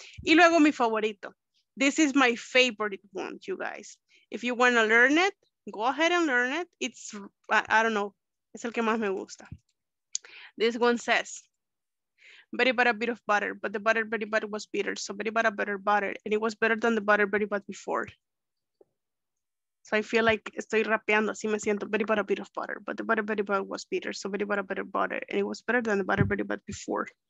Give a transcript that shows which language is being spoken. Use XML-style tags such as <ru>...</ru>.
<es>Y luego mi favorito.</es> <en>This is my favorite one, you guys. If you want to learn it, go ahead and learn it. It's, I don't know,</en> <es>es el que más me gusta.</es> <en>This one says, Betty bought a bit of butter, but the butter Betty bought was bitter. So Betty bought a better butter, and it was better than the butter Betty bought before. So I feel like</en> <es>estoy rapeando, así me siento.</es> <en>Betty bought a bit of butter, but the butter Betty bought was bitter. So Betty bought a better butter, and it was better than the butter Betty bought before.</en>